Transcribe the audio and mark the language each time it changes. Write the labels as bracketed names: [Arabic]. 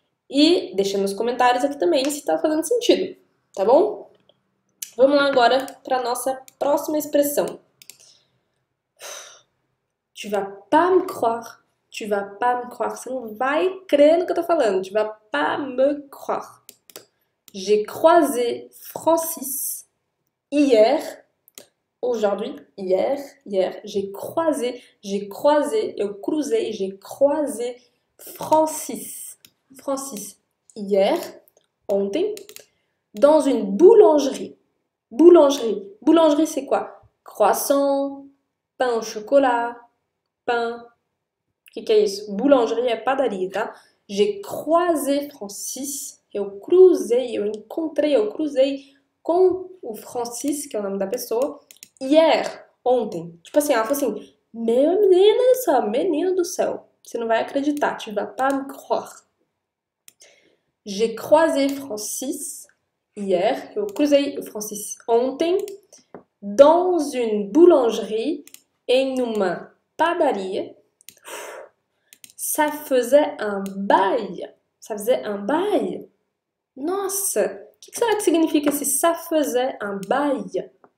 [Portuguese] E deixando nos comentários aqui também se tá fazendo sentido, tá bom? Vamos lá agora pra nossa próxima expressão. [French] Tu vas pas me croire. Tu vas pas me croire. [Portuguese] Você não vai crer no que eu tô falando. [French] Tu vas pas me croire. J'ai croisé Francis hier. Aujourd'hui. Hier. J'ai croisé. [Portuguese] Eu cruzei. [French] J'ai croisé Francis. Francis. Hier. Ontem. Dans une boulangerie. Boulangerie. Boulangerie, c'est quoi? Croissant. Pain au chocolat. [Portuguese] Que é isso? Boulangerie é padaria, tá? [French] J'ai croisé Francis. [Portuguese] Eu cruzei com o Francis, que é o nome da pessoa, hier, ontem. Tipo assim, ela falou assim: meu menino do céu, menino do céu. Você não vai acreditar, [French] tu vas pas me croire. J'ai croisé Francis hier. [Portuguese] Eu cruzei o Francis ontem [French] dans une boulangerie, [Portuguese] em uma padaria. [French] Ça faisait un bail. [Portuguese] Nossa, o que será que significa esse [French] ça faisait un bail?